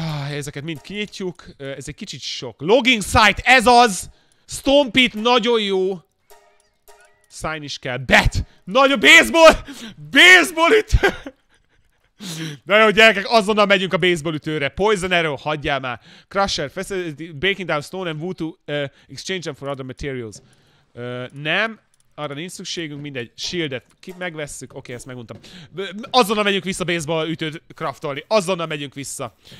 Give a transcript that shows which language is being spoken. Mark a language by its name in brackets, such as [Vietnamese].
[Hungarian] Ezeket mind kinyitjuk. Ez egy kicsit sok. Logging site, ez az! Stompit, nagyon jó! Sign is kell. Bet! Nagy a baseball! Baseball ütő! Na jó, gyerekek, azonnal megyünk a baseball ütőre. Poison arrow, hagyjál már. [English] Crusher, breaking down stone and wood to exchange them for other materials. [Hungarian] Nem, arra nincs szükségünk, mindegy. Shieldet megvesszük. Oké, ezt meguntam. Azonnal megyünk vissza baseball ütőt craftolni. Azonnal megyünk vissza.